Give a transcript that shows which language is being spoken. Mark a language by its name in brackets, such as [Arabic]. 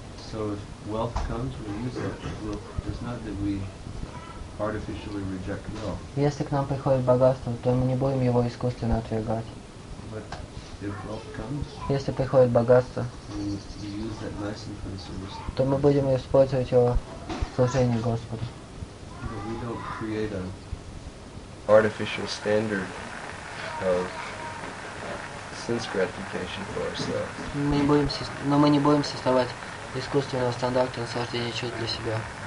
[English] So if wealth comes, we use it. It's not that we artificially reject wealth. [Russian] Если к нам приходит богатство, то мы не будем его искусственно отвергать. [English] But if wealth comes, [Russian] если приходит богатство, [English] we use that nice and principles, [Russian] то мы будем использовать его в служении Господу. [English] But we don't create an artificial standard of sense gratification for ourselves. [Russian] Мы не будем создавать искусственного стандарта наслаждения чувств для себя.